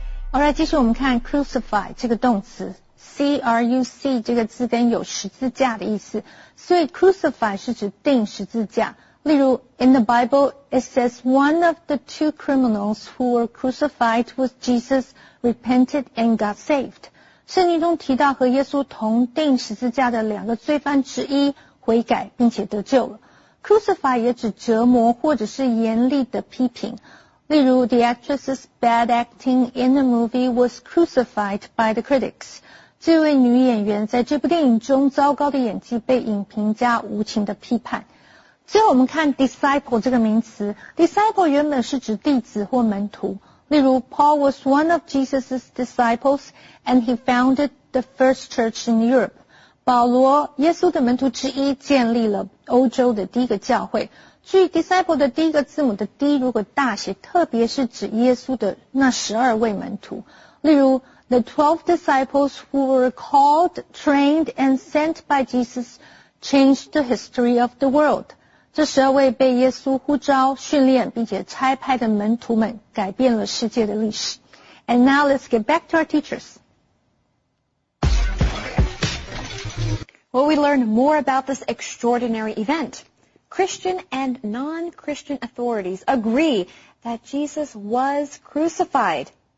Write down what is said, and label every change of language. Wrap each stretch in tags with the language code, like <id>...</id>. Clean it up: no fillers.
<zh>好，来继续我们看 crucify 这个动词 ,C-R-U-C 这个字根有十字架的意思。所以 crucify 是指钉十字架。例如</zh> <en>,in the Bible, it says one of the two criminals who were crucified was Jesus repented and got saved.</en> <zh>圣经中提到和耶稣同钉十字架的两个罪犯之一悔改并且得救了。 crucify 也指折磨或者是严厉的批评。例如</zh> <en>,the actress's bad acting in the movie was crucified by the critics.</en> <zh>这位女演员在这部电影中糟糕的演技被影评家无情的批判。最后我们看 disciple 这个名词。disciple 原本是指弟子或门徒。例如</zh> <en>,Paul was one of Jesus's disciples and he founded the first church in Europe.</en> <zh>保罗耶稣的门徒之一建立了欧洲的第一个教会。注意 disciple 的第一个字母的 D 如果大写特别是指耶稣的那十二位门徒例如</zh> <en>the 12 disciples who were called, trained, and sent by Jesus changed the history of the world.</en> <zh>这十二位被耶稣呼召、训练并且差派的门徒们改变了世界的历史。</zh> <en>And now let's get back to our teachers. Well, we learned more about this extraordinary event. Christian and non-Christian authorities agree that Jesus was crucified.</en>